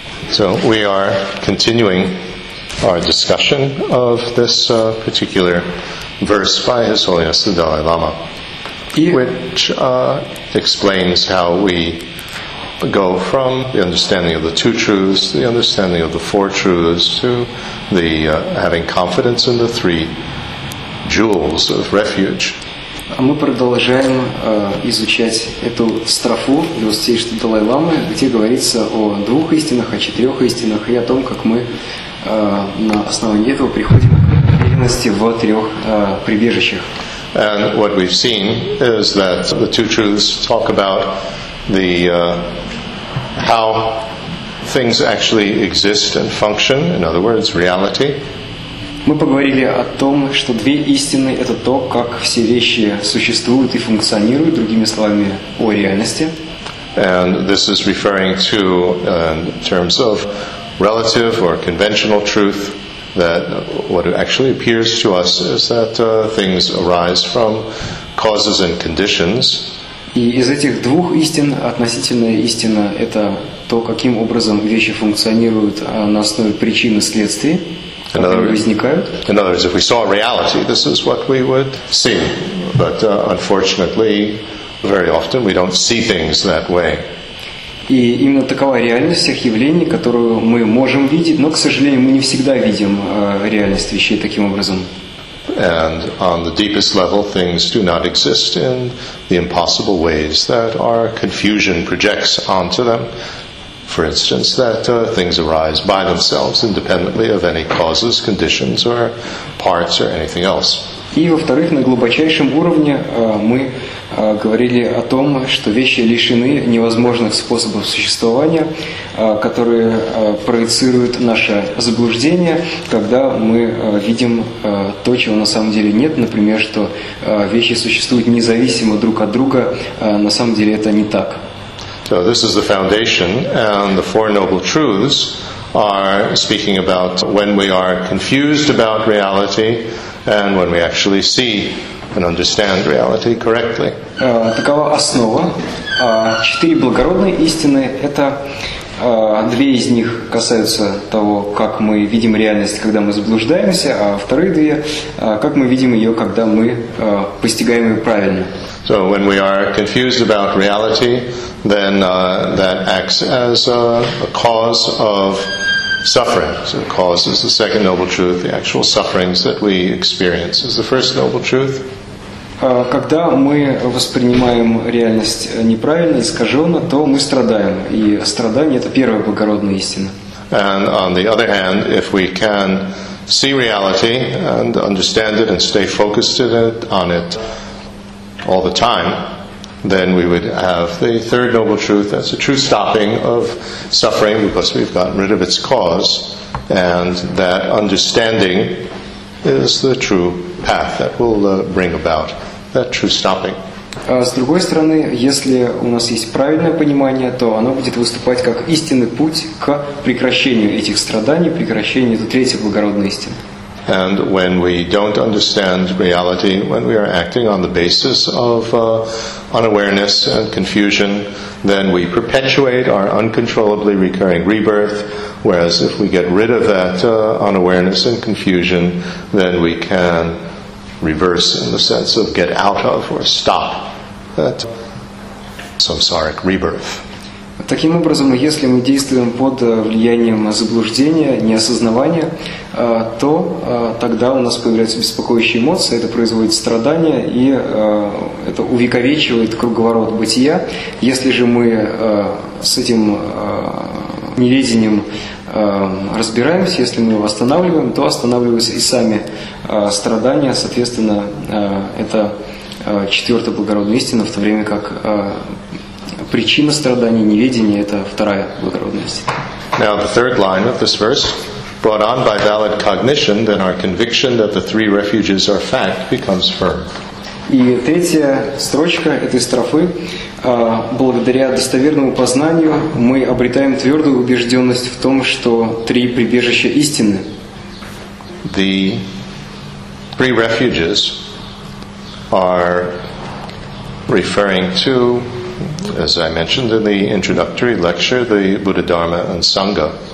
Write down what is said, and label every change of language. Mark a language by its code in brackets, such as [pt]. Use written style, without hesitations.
[en] So we are continuing our discussion of this particular verse by His Holiness the Dalai Lama, which explains how we go from the understanding of the two truths, the understanding of the four truths, to the having confidence in the three jewels of refuge. [ru] Мы продолжаем изучать эту строфу Святейшего Далай-Ламы, где говорится о двух истинах, о четырех истинах и о том, как мы на основании этого приходим к уверенности в трех прибежищах. [en] And what we've seen is that the two truths talk about the how things actually exist and function, in other words, reality. [ru] Мы поговорили о том, что две истины — это то, как все вещи существуют и функционируют, другими словами, о реальности. [en] And this is referring to, in terms of relative or conventional truth, that what actually appears to us is that things arise from causes and conditions. [ru] И из этих двух истин относительная истина — это то, каким образом вещи функционируют на основе причин и следствий. [en] In other words, if we saw reality, this is what we would see. But unfortunately, very often we don't see things that way. [ru] И именно такова реальность всех явлений, которую мы можем видеть, но, к сожалению, мы не всегда видим реальность вещей таким образом. [en] And on the deepest level, things do not exist in the impossible ways that our confusion projects onto them. For instance, that things arise by themselves, independently of any causes, conditions, or parts, or anything else. [ru] И во-вторых, на глубочайшем уровне мы говорили о том, что вещи лишены невозможных способов существования, которые проецируют наше заблуждение, когда мы видим то, чего на самом деле нет, например, что вещи существуют независимо друг от друга, на самом деле это не так. [en] So this is the foundation, and the Four Noble Truths are speaking about when we are confused about reality and when we actually see and understand reality correctly. [ru] Такова основа. Четыре благородные истины — это две из них касаются того, как мы видим реальность, когда мы заблуждаемся, а вторые две — как мы видим ее, когда мы постигаем ее правильно. [en] So when we are confused about reality, then that acts as a cause of suffering. So it causes the second noble truth, the actual sufferings that we experience is the first noble truth. [ru] Когда мы воспринимаем реальность неправильно, искаженно, то мы страдаем. И страдание — это первая благородная истина. [en] And on the other hand, if we can see reality and understand it and stay focused on it all the time, then we would have the third noble truth. That's a true stopping of suffering because we've gotten rid of its cause, and that understanding is the true path that will bring about that true stopping. [ru] С другой стороны, если у нас есть правильное понимание, то оно будет выступать как истинный путь к прекращению этих страданий, прекращению этой третьей благородной истины. [en] And when we don't understand reality, when we are acting on the basis of unawareness and confusion, then we perpetuate our uncontrollably recurring rebirth, whereas if we get rid of that unawareness and confusion, then we can reverse in the sense of get out of or stop that samsaric rebirth. [ru] Таким образом, если мы действуем под влиянием заблуждения, неосознавания, то тогда у нас появляются беспокоящие эмоции, это производит страдания, и это увековечивает круговорот бытия. Если же мы с этим неведением разбираемся, если мы его останавливаем, то останавливаются и сами страдания, соответственно, это четвертая благородная истина, в то время как причина страдания, неведения — это вторая благородность. [en] Now the third line of this verse, brought on by valid cognition, then our conviction that the three refuges are fact becomes firm. [ru] И третья строчка этой строфы, благодаря достоверному познанию, мы обретаем твердую убежденность в том, что три прибежища истины. [en] The three refuges are referring to, as I mentioned in the introductory lecture, the Buddha, Dharma, and Sangha.